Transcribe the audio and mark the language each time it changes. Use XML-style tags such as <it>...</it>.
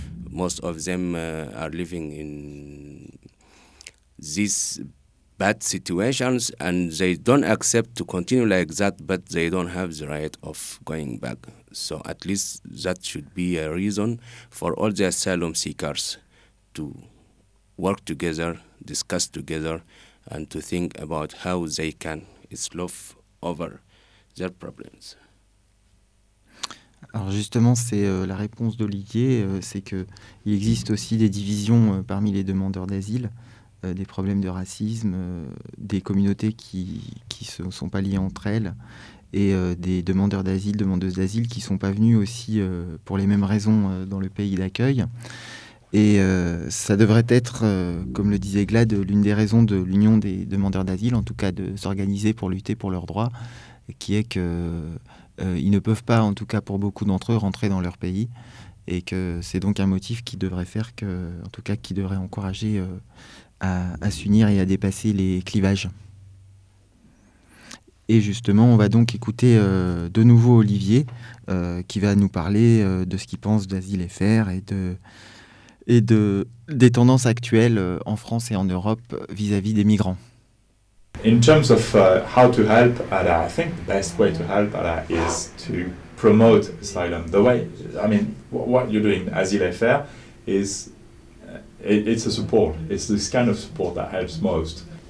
<en>Most of them are living in these bad situations and they don't accept to continue like that, but they don't have the right of going back. So at least that should be a reason for all the asylum seekers to work together, discuss together, and to think about how they can solve over their problems.</en> <fr>Alors justement, c'est la réponse d'Olivier, c'est qu'il existe aussi des divisions parmi les demandeurs d'asile, des problèmes de racisme, des communautés qui ne sont pas liées entre elles, et des demandeurs d'asile, demandeuses d'asile qui ne sont pas venus aussi pour les mêmes raisons dans le pays d'accueil. Et ça devrait être, comme le disait Glad, l'une des raisons de l'union des demandeurs d'asile, en tout cas de s'organiser pour lutter pour leurs droits, qui est que... ils ne peuvent pas, en tout cas pour beaucoup d'entre eux, rentrer dans leur pays, et que c'est donc un motif qui devrait faire que, en tout cas, qui devrait encourager à s'unir et à dépasser les clivages. Et justement, on va donc écouter de nouveau Olivier, qui va nous parler de ce qu'il pense d'Asile FR et de des tendances actuelles en France et en Europe vis-à-vis des migrants.</fr> <en>In terms of how to help ALA, I think the best way to help ALA is to promote asylum. The way, I mean, what you're doing, Asile FR, is it's a support. It's this kind of support that helps most.</en>